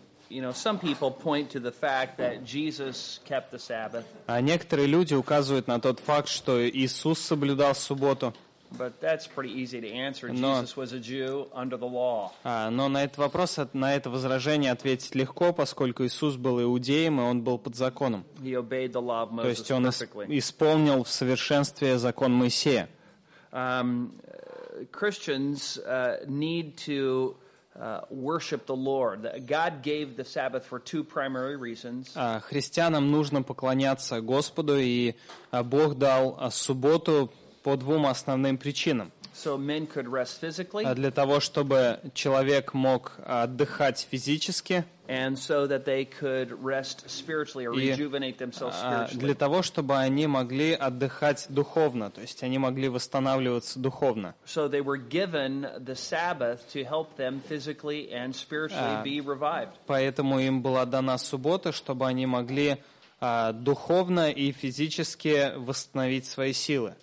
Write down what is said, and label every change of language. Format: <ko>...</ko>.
<en>Some people point to the fact that Jesus kept the Sabbath.</en> <ru>А некоторые люди указывают на тот факт, что Иисус соблюдал субботу.</ru> <en>But that's pretty easy to answer. Jesus was a Jew under the law.</en> <ru>Но на этот вопрос, на это возражение ответить легко, поскольку Иисус был иудеем, и он был под законом.</ru> <en>He obeyed the law of Moses perfectly.</en> <ru>То есть он исполнил в совершенстве закон Моисея.</ru> <en>Christians need to worship the Lord. God gave the Sabbath for two primary reasons.</en> <ru>Христианам нужно поклоняться Господу, и Бог дал субботу по двум основным причинам.</ru> <en>So men could rest physically,</en> <ru>для того, чтобы человек мог отдыхать физически,</ru> <en>and so that they could rest spiritually or rejuvenate themselves spiritually.</en> <ru>Для того, чтобы они могли отдыхать духовно, то есть они могли восстанавливаться духовно.</ru> <en>So they were given the Sabbath to help them physically and spiritually be revived.</en> <ru>Поэтому им была дана суббота, чтобы они могли духовно и физически восстановить свои силы.</ru>